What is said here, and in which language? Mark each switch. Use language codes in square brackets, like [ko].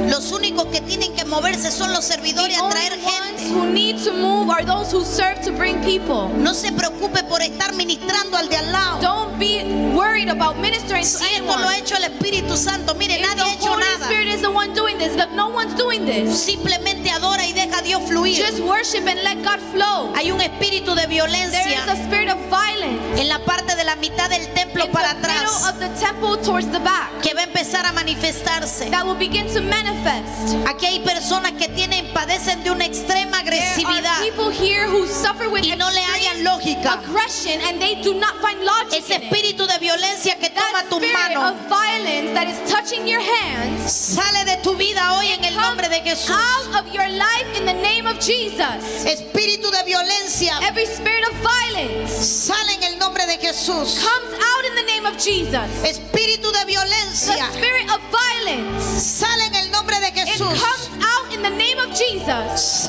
[es] Los únicos que tienen que moverse son los servidores a traer gente. [en] The ones who need to move are those who serve to bring people. [es] No se preocupe por estar ministrando al de al lado. [en] Don't be worried about ministering to anyone. [es] Si esto lo ha hecho el Espíritu Santo, mire, nadie ha hecho nada. [en] The Holy Spirit is the one doing this. No one's doing this. [es] Simplemente adora y deja a Dios fluir. [en] Just worship and let God flow. [es] Hay un espíritu de violencia. [en] There is a spirit of violence. [es] En la parte de la mitad del templo para atrás. [en] Of the temple towards the back, [es] que va a empezar a manifestarse. [en] That will begin to manifest. [es] Aquí hay personas que tienen, padecen de una extrema agresividad. [en] There are people here who suffer with [es] y no le hallan lógica. [en] Aggression and they do not find logic. [es] Ese espíritu de violencia que [en] that [es] toma tus manos. [en] Of violence that is touching your hands, [es] sale de tu vida hoy en el nombre de Jesús. [en] Out of your life in the name of Jesus. [es] Espíritu de violencia. [en] Every spirit of violence, [es] sale en el nombre de Jesús. [en] Comes out in the name of Jesus. [es] Espíritu de violencia. [en] The spirit of violence. [es] Sale en el nombre de Jesús. [en] It comes out in the name of Jesus.